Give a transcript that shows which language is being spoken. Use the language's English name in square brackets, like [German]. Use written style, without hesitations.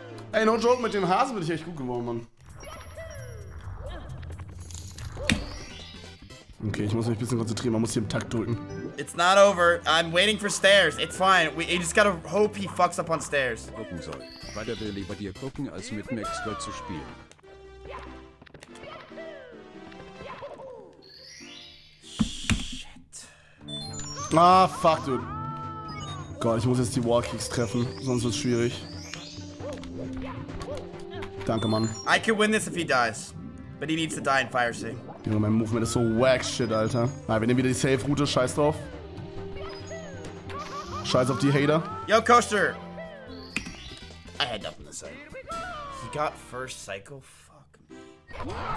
[German] Ey, [English] no joke, [German] mit dem Hasen bin ich echt gut geworden, Mann. Okay, ich muss mich ein bisschen konzentrieren, man muss hier im Takt drücken. [English] It's not over, I'm waiting for stairs, it's fine, we just gotta hope he fucks up on stairs. [German] Gucken soll, weiter will lieber dir gucken, als mit Max Gold zu spielen. [English] Shit. Ah, fuck, dude. [German] Gott, ich muss jetzt die Wallkicks treffen, sonst wird's schwierig. Danke, Mann. [English] I could win this if he dies, but he needs to die in Fire Sea. [German] Junge, mein Movement ist so wack shit, Alter. Nein, wir nehmen wieder die Safe-Route, scheiß drauf. Scheiß auf die Hater. [English] Yo, Coaster! I had nothing to say. He got first cycle? Fuck me.